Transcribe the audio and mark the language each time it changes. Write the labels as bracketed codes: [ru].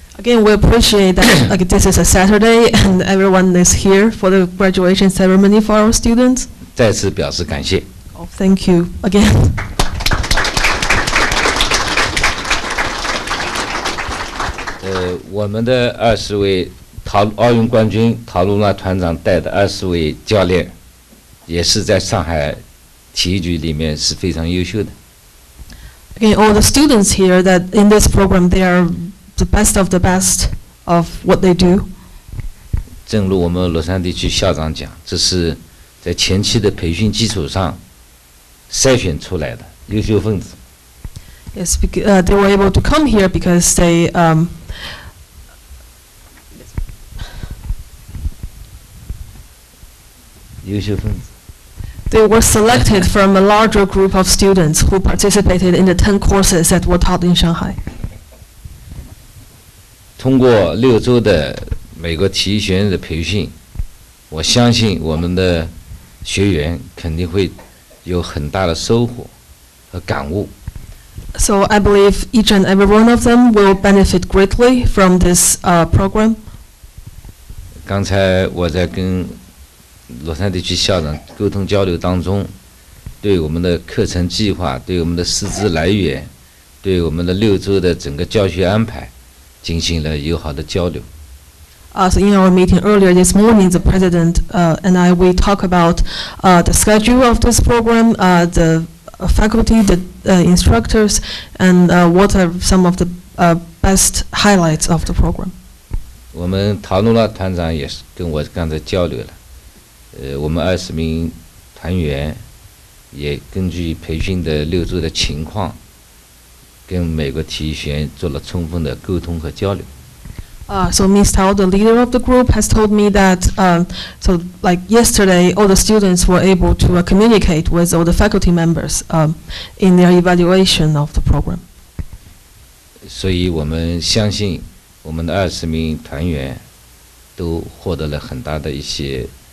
[en] Again, we appreciate that like this is a Saturday and everyone is here for the graduation ceremony for our students. [zh] 再次表示感谢。 [en] Oh, thank you again. [zh] 我们的二十位奥运冠军陶露娜团长带的二十位教练也是在上海体育局里面是非常优秀的。 [en] Again, all the students here that in this program, they are the best of what they do. [zh] 正如我们洛杉矶区校长讲，这是在前期的培训基础上筛选出来的优秀分子。 [en] Yes, because, they were able to come here because they, they were selected from a larger group of students who participated in the 10 courses that were taught in Shanghai. [zh] 通过六周的美国体育学院的培训，我相信我们的学员肯定会有很大的收获和感悟。 [en] So I believe each and every one of them will benefit greatly from this program. [zh] 刚才我在跟洛杉矶区校长沟通交流当中，对我们的课程计划、对我们的师资来源、对我们的六周的整个教学安排进行了友好的交流。 [en] So in our meeting earlier this morning, the president and I, we talked about the schedule of this program, the faculty, the instructors, and what are some of the best highlights of the program. [zh] 我们陶努拉团长也是跟我刚才交流了。我们二十名团员也根据培训的六周的情况，跟美国体育学院做了充分的沟通和交流。 [en] So Ms. Tao, the leader of the group, has told me that, so like yesterday, all the students were able to communicate with all the faculty members, in their evaluation of the program. [zh] 所以我们相信我们的二十名团员都获得了很大的一些。